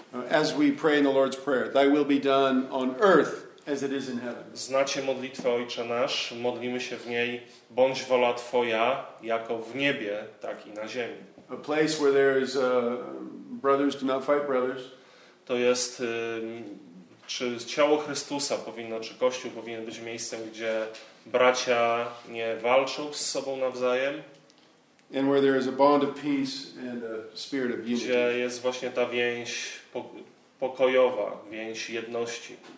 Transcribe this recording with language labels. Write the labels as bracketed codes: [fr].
[en] As we pray in the Lord's Prayer, thy will be done on earth as it is in heaven. [pl] Znacie modlitwę Ojcze Nasz, modlimy się w niej, bądź wola Twoja, jako w niebie, tak i na ziemi. [en] A place where there is brothers do not fight brothers. [pl] To jest, czy ciało Chrystusa powinno, czy Kościół powinien być miejscem, gdzie bracia nie walczą z sobą nawzajem. [en] And where there is a bond of peace and a spirit of unity. [pl] Gdzie jest właśnie ta więź pokojowa, więź jedności.